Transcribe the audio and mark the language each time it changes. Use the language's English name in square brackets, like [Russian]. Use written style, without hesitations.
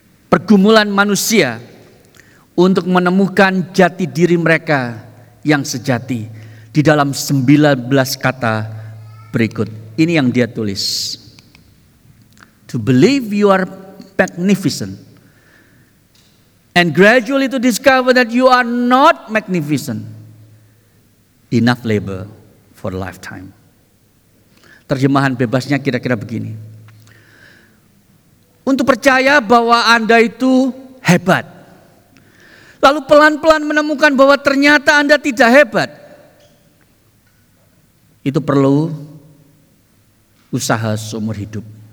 [Indonesian] pergumulan manusia untuk menemukan jati diri mereka yang sejati di dalam 19 kata berikut. Ini yang dia tulis. [English] To believe you are magnificent and gradually to discover that you are not magnificent. Enough labor for a lifetime. [Indonesian] Terjemahan bebasnya kira-kira begini. Untuk percaya bahwa Anda itu hebat, lalu pelan-pelan menemukan bahwa ternyata Anda tidak hebat, itu perlu usaha seumur hidup.